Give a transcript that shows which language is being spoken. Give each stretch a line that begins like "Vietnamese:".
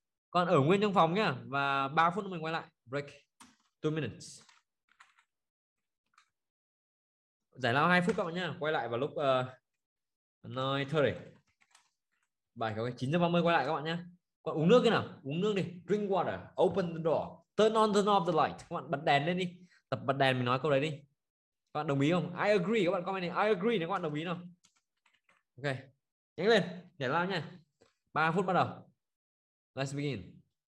Vietnamese: Còn ở nguyên trong phòng nhá và 3 phút mình quay lại.
English: Break 2 minutes.
Vietnamese: Giải lao 2 phút các bạn nhá, quay lại vào lúc 9:30. Bài các bạn 9:30 quay lại các bạn nhá. Còn uống nước đi nào, uống nước đi.
English: Drink water, open the door, turn on the off the light.
Vietnamese: Các bạn bật đèn lên đi. Tập bật đèn mình nói câu đấy đi. Các bạn đồng ý không?
English: I agree,
Vietnamese: các bạn comment này. I agree nếu các bạn đồng ý không? Ok, nhanh lên, để lao nha. 3 phút bắt đầu.
English: Let's begin.